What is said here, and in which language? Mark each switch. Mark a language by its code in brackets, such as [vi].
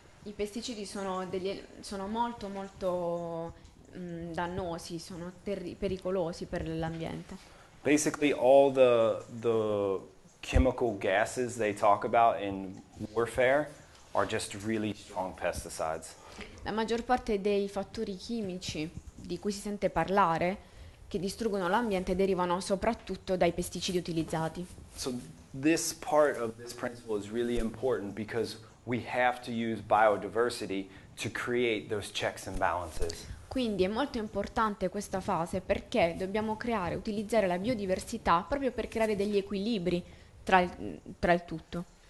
[it] I pesticidi sono molto molto dannosi, sono pericolosi per l'ambiente. [en] Basically all the chemical gases they talk about in warfare are just really strong pesticides. [it] La maggior parte dei fattori chimici di cui si sente parlare che distruggono l'ambiente derivano soprattutto dai pesticidi utilizzati. [en] So this part of this principle is really important because we have to use biodiversity to create those checks and balances. [it] Quindi è molto importante questa fase perché dobbiamo utilizzare la biodiversità proprio per creare degli equilibri tra il tutto.